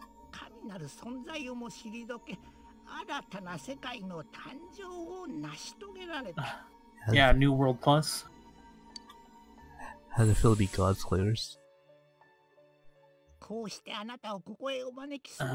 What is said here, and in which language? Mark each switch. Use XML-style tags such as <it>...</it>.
<ja>神なる存在をも退け、新たな世界の誕生を成し遂げられた。</ja> <en>Yeah, New World Plus. How does it feel to be God's players?</en> <ja>こうしてあなたをここへお招きするの</ja>